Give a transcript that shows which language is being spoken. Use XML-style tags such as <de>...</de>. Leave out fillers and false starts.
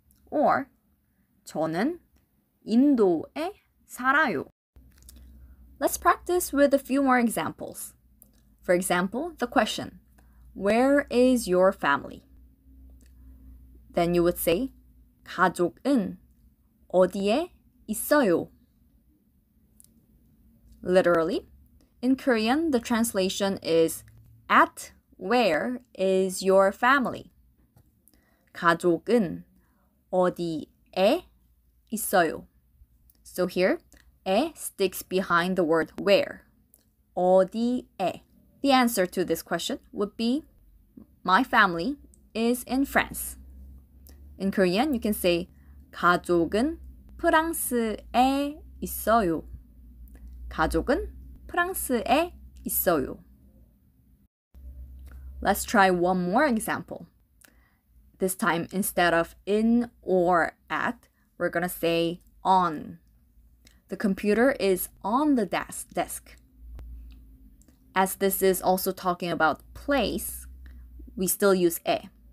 <ko>Or 저는 인도에 살아요.</ko> <en>Let's practice with a few more examples. For example, the question, where is your family? Then you would say</en> <ko>가족은 어디에 있어요?</ko> <en>Literally, in Korean, the translation is at where is your family?</en> <ko>가족은 어디에 있어요?</ko> <en>So here, 에 sticks behind the word where.</en> <ko>어디에?</ko> <en>The answer to this question would be my family is in France. In Korean, you can say</en> <ko>가족은 프랑스에 있어요. 가족은 프랑스에 있어요.</ko> <en>Let's try one more example. This time, instead of in or at, we're gonna say on. The computer is on the desk. As this is also talking about place, we still use 에.</en>